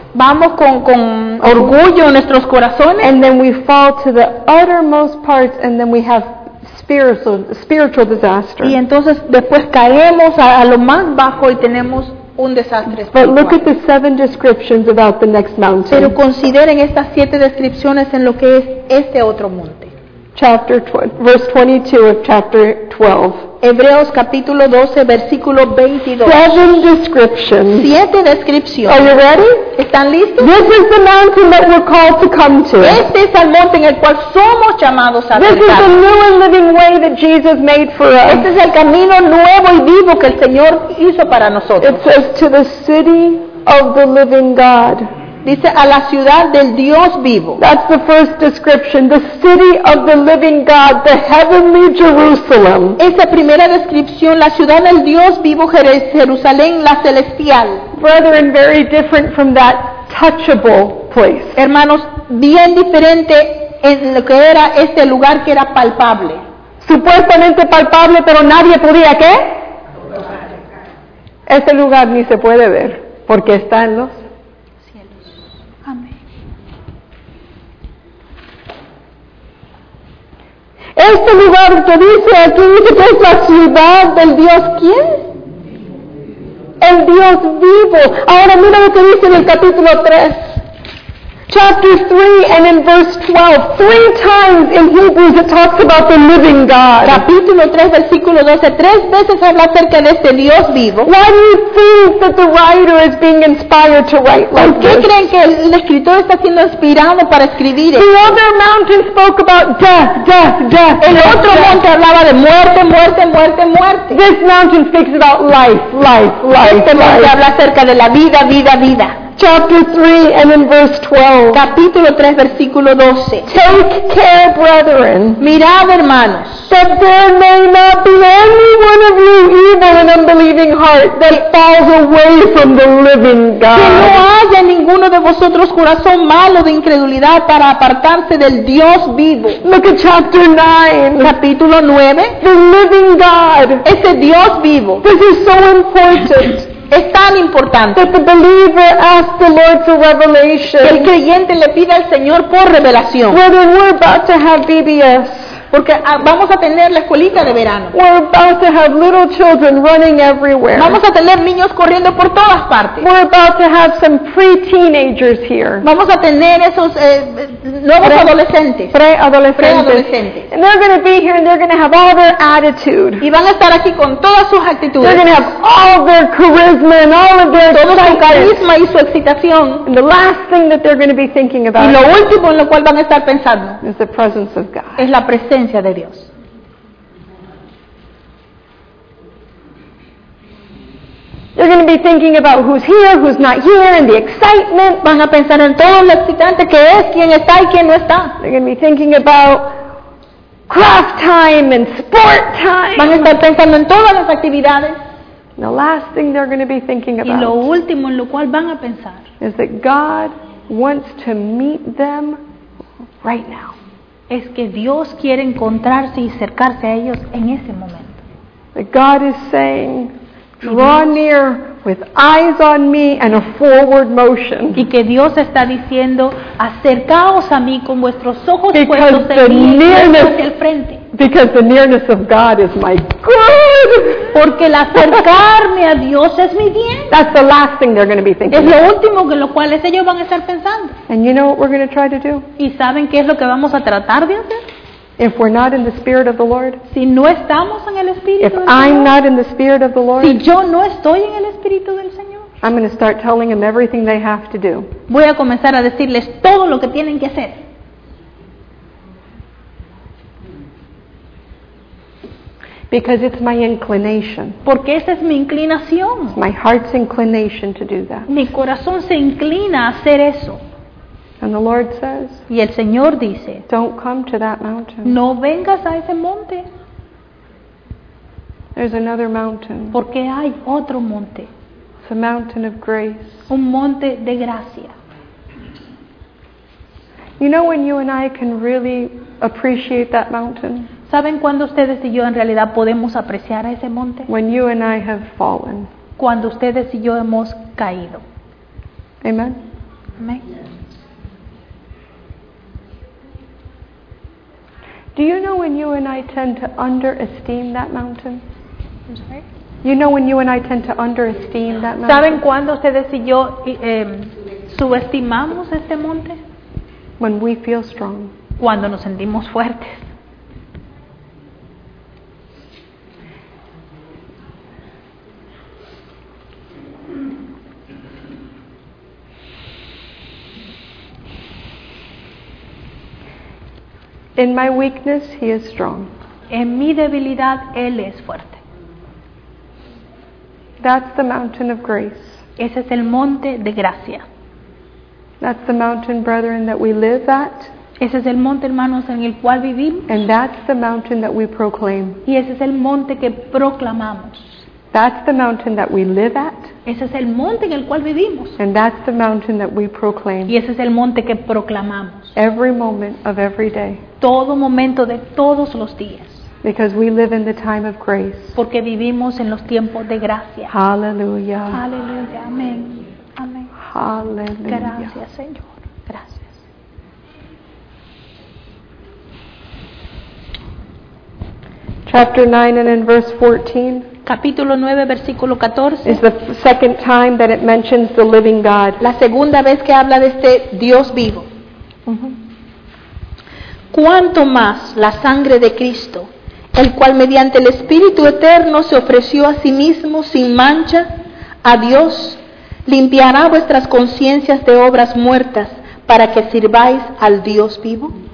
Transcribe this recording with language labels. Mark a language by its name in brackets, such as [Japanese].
[Spanish] Vamos con orgullo en nuestros corazones. [English] And then we fall to the uttermost parts and then we have spiritual disaster. [Spanish] Y entonces después caemos a lo más bajo y tenemos un desastre espiritual. [English] But look at the seven descriptions about the next mountain. [Spanish] Pero consideren estas siete descripciones en lo que es este otro monte. [English] chapter verse 22 of chapter 12. [Spanish] Hebreos capítulo 12 versículo 22. [English] Seven descriptions. [Spanish] Siete descripciones. [English] Are you ready? [Spanish] ¿Están listos? [English] This is the mountain that we're called to come to. [Spanish] Este es el monte en el cual somos llamados a [English] This [Spanish] visitar. [English] Is the new and living way that Jesus made for us. [Spanish] Este es el camino nuevo y vivo que el Señor hizo para nosotros. [English] It says to the city of the living God. [Spanish] Dice a la ciudad del Dios vivo. [English] That's the first description, the city of the living God, the heavenly Jerusalem. [Spanish] Esa primera descripción, la ciudad del Dios vivo, Jerusalén, la celestial. [English] Brethren, very different from that touchable place. [Spanish] Hermanos, bien diferente en lo que era este lugar que era palpable. Supuestamente palpable, pero nadie podía, ¿qué? Este lugar ni se puede ver, porque está en los Este lugar que dice aquí, dice que es la ciudad del Dios, ¿quién? El Dios vivo. Ahora mira lo que dice en el capítulo 3. [English] Chapter 3 and in verse 12. Three times in Hebrews it talks about the living God. [Spanish] Capítulo 3, versículo 12. Tres veces habla acerca de este Dios vivo. [English] Why do you think that the writer is being inspired to write like this? [Spanish] ¿Por qué creen que el escritor está siendo inspirado para escribir esto? [English] The other mountain spoke about death, death, death. [Spanish] El otro monte hablaba de muerte, muerte, muerte, muerte. [English] This mountain speaks about life, life, life. [Spanish] Este monte habla acerca de la vida, vida, vida. [English] Chapter 3 and in verse 12. [Spanish] Capítulo 3, versículo 12. [English] Take care, brethren. [Spanish] Mirad, hermanos. [English] That there may not be any one of you evil and unbelieving heart that falls away from the living God. [Spanish] Que no haya ninguno de vosotros corazón malo de incredulidad para apartarse del Dios vivo. [English] Look at chapter 9. [Spanish] Capítulo 9. [English] The living God. [Spanish] Ese Dios vivo. [English] This is so important. [Spanish] Es tan importante [English] that the believer asks the Lord for revelation. [Spanish] El creyente le pide al Señor por revelación. [English] Brother, we're about to have BBS. [Spanish] Porque vamos a tener la escuelita de verano. [English] We're about to have little children running everywhere. [Spanish] Vamos a tener niños corriendo por todas partes. [English] We're about to have some pre-teenagers here. [Spanish] Vamos a tener esos nuevos adolescentes. Pre-adolescentes. [English] And they're going to be here and they're going to have all their attitude. [Spanish] Y van a estar aquí con todas sus actitudes. [English] They're going to have all their charisma and all of their [Spanish] Todo [English] excitement. [Spanish] Su carisma y su excitación. [English] And the last thing that they're going to be thinking about [Spanish] y lo último en lo cual van a estar pensando [English] is the presence of God. [Spanish] Es la presencia de Dios. [English] They're going to be thinking about who's here, who's not here, and the excitement. [Spanish] Van a pensar en todo lo excitante que es, quién está y quién no está. [English] They're going to be thinking about craft time and sport time. [Spanish] Van a estar pensando en todas las actividades. [English] And the last thing they're going to be thinking about. [Spanish] Y lo último en lo cual van a pensar. [English] Is that God wants to meet them right now. [Spanish] Es que Dios quiere encontrarse y acercarse a ellos en ese momento. [English] That God is saying, draw near with eyes on me and a forward motion. [Spanish] Y que Dios está diciendo, acercaos a mí con vuestros ojos puestos en mí hacia el frente. [English] Because the nearness of God is my good. [Spanish] Porque el acercarme a Dios es mi bien. [English] That's the last thing they're going to be thinking. [Spanish] Es lo último en lo cual ellos van a estar pensando. [English] And you know what we're going to try to do? [Spanish] ¿Y saben qué es lo que vamos a tratar de hacer? [English] If we're not in the Spirit of the Lord, [Spanish] si no estamos en el Espíritu [English] if [Spanish] del Señor, [English] I'm not in the Spirit of the Lord, [Spanish] si yo no estoy en el Espíritu del Señor, [English] I'm going to start telling them everything they have to do. [Spanish] Voy a comenzar a decirles todo lo que tienen que hacer. [English] Because it's my inclination. [Spanish] Porque esa es mi inclinación. [English] It's my heart's inclination to do that. [Spanish] Mi corazón se inclina a hacer eso. [English] And the Lord says, [Spanish] y el Señor dice, [English] don't come to that mountain. [Spanish] No vengas a ese monte. [English] There's another mountain. [Spanish] Porque hay otro monte. [English] It's a mountain of grace. [Spanish] Un monte de gracia. [English] You know when you and I can really appreciate that mountain? [Spanish] ¿Saben cuándo ustedes y yo en realidad podemos apreciar a ese monte? [English] When you and I have fallen. [Spanish] Cuando ustedes y yo hemos caído. [English] Amen. [Spanish] Amen. [English] Do you know when you and I tend to underestimate that mountain? I'm sorry? You know when you and I tend to underestimate that mountain? [Spanish] ¿Saben cuándo ustedes y yo subestimamos este monte? [English] When we feel strong. [Spanish] Cuando nos sentimos fuertes. [English] In my weakness, he is strong. [Spanish] En mi debilidad, él es fuerte. [English] That's the mountain of grace. [Spanish] Ese es el monte de gracia. [English] That's the mountain, brethren, that we live at. [Spanish] Ese es el monte, hermanos, en el cual vivimos. [English] And that's the mountain that we proclaim. [Spanish] Y ese es el monte que proclamamos. [English] That's the mountain that we live at. [Spanish] Ese es el monte en el cual vivimos. [English] And that's the mountain that we proclaim. [Spanish] Y ese es el monte que proclamamos. [English] Every moment of every day. [Spanish] Todo momento de todos los días. [English] Because we live in the time of grace. [Spanish] Porque vivimos en los tiempos de gracia. [English] Hallelujah. [Spanish] Hallelujah. Amén. Amén. [English] Hallelujah. [Spanish] Gracias, Señor. Gracias. [English] Chapter 9 and in verse 14. [Spanish] Capítulo 9, versículo 14. [English] Is the second time that it mentions the living God. [Spanish] La segunda vez que habla de este Dios vivo. ¿Cuánto más la sangre de Cristo, el cual mediante el Espíritu Eterno se ofreció a sí mismo sin mancha a Dios, limpiará vuestras conciencias de obras muertas para que sirváis al Dios vivo?